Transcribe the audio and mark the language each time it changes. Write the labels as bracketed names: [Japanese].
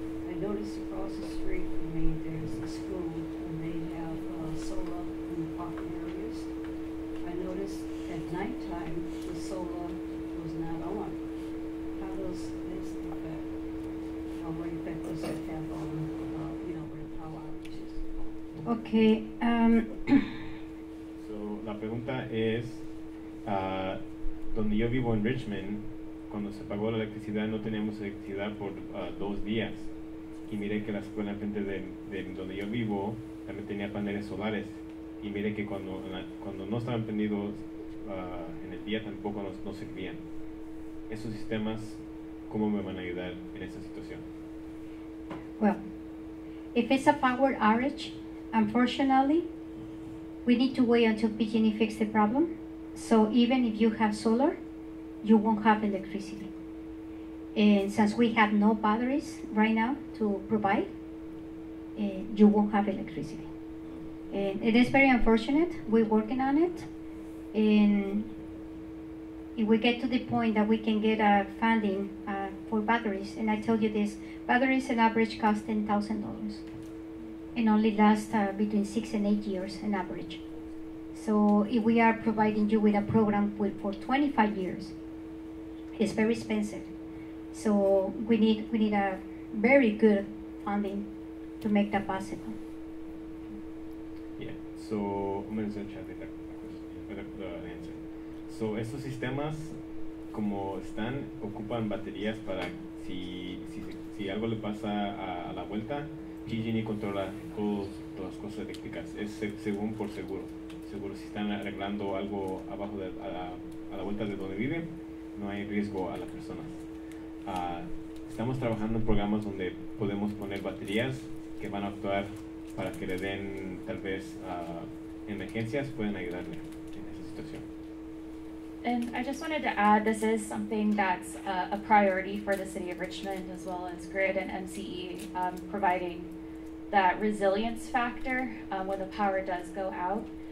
[English] I noticed across the street from me, there's a school, and they have solar in the parking areas. I noticed at nighttime, the solar was not on. How does this affect? How many effect does it have on, you know, where the power outage is? Okay. [Spanish] So, la pregunta es, donde yo vivo en Richmond, cuando se apagó la electricidad, no teníamos electricidad por dos días. Y miré que la escuela enfrente de donde yo vivo también tenía paneles solares. Y miré que cuando no estaban prendidos en el día, tampoco no servían. Esos sistemas, ¿cómo me van a ayudar en esa situación? [English] Well, if it's a power outage, unfortunately, we need to wait until PG&E fix the problem. So even if you have solar, you won't have electricity. And since we have no batteries right now to provide, you won't have electricity. And it is very unfortunate. We're working on it. And if we get to the point that we can get funding for batteries, and I tell you this, batteries on average cost $10,000 and only last between 6 and 8 years on average. So if we are providing you with a program for 25 years, it's very expensive. So we need a very good funding to make that possible. Yeah, so I'm going to chat with the answer. [Spanish] So estos sistemas, como están, ocupan baterías para si algo le pasa a la vuelta, PG&E controla todas las cosas eléctricas. Es según por seguro. Seguro si están arreglando algo abajo de a la vuelta de donde viven, no hay riesgo a las personas. Estamos trabajando en programas donde podemos poner baterías que van a actuar para que le den tal vez emergencias, pueden ayudarle en esa situación. [English] And I just wanted to add, this is something that's a priority for the city of Richmond as well as Grid and MCE, providing that resilience factor when the power does go out.